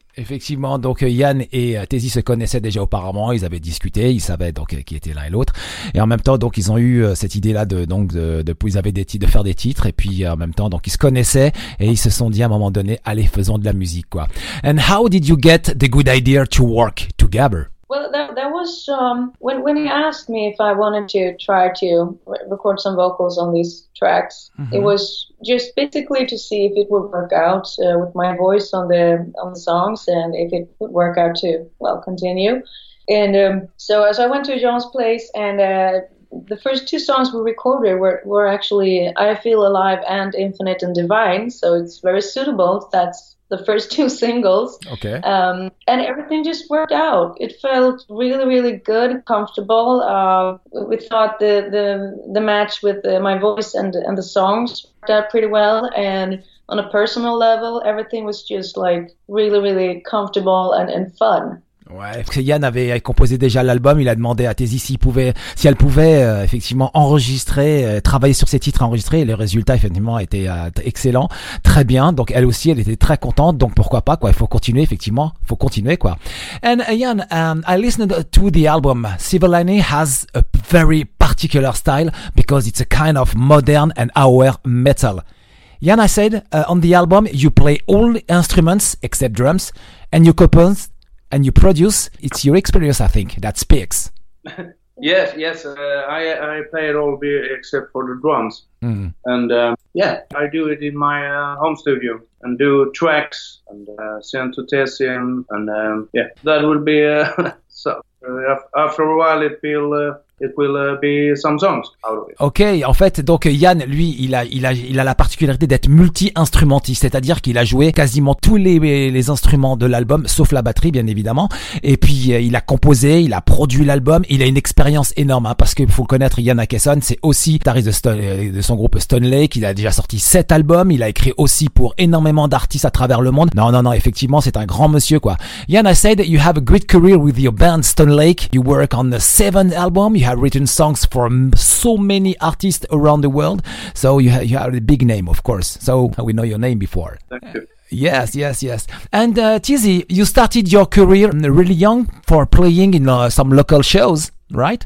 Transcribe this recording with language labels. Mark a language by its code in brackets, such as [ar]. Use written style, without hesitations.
[fr] Effectivement, donc Jan et Tezzy se connaissaient déjà auparavant, ils avaient discuté, ils savaient donc qui était l'un et l'autre, et en même temps donc ils ont eu cette idée là de faire des titres, et puis en même temps donc ils se connaissaient et ils se sont dit à un moment donné, allez, faisons de la musique, quoi. [en] And how did you get the good idea to work together? Well, that was when he asked me if I wanted to try to record some vocals on these tracks. Mm-hmm. It was just basically to see if it would work out with my voice on the songs and if it would work out to, well, continue. And so I went to Jean's place, and the first two songs we recorded were actually I Feel Alive and Infinite and Divine, so it's very suitable. That's the first two singles. Okay. And everything just worked out. It felt really, really good, comfortable. We thought the match with my voice and the songs worked out pretty well. And on a personal level, everything was just like really, really comfortable and fun. [fr] Ouais, Yann avait composé déjà l'album, il a demandé à Tezzy si elle pouvait effectivement enregistrer, travailler sur ses titres enregistrés, et les résultats effectivement étaient excellents, très bien, donc elle aussi, elle était très contente, donc pourquoi pas, quoi, il faut continuer, quoi. [en] And Yann, I listened to the album. Silver Lining has a very particular style because it's a kind of modern and hour metal. Yann, I said, on the album, you play all instruments except drums, and you compose and you produce, it's your experience, I think, that speaks. Yes. I play it all except for the drums. Mm. And I do it in my home studio and do tracks and send to Tessie. That will be, after a while, it will be some songs out of it. [fr] Okay, en fait, donc Jan, lui, il a la particularité d'être multi-instrumentiste, c'est-à-dire qu'il a joué quasiment tous les instruments de l'album, sauf la batterie, bien évidemment. Et puis, il a composé, il a produit l'album, il a une expérience énorme, hein, parce qu'il faut le connaître, Jan Akesson, c'est aussi guitariste de son groupe Stone Lake, il a déjà sorti 7 albums, il a écrit aussi pour énormément d'artistes à travers le monde. Non, effectivement, c'est un grand monsieur, quoi. [en] Jan, I said, you have a great career with your band Stone Lake, you work on the 7 albums, you have written songs for so many artists around the world. So you have a big name, of course. So we know your name before. Thank you. Yes. And Tezzy, you started your career really young for playing in some local shows, right?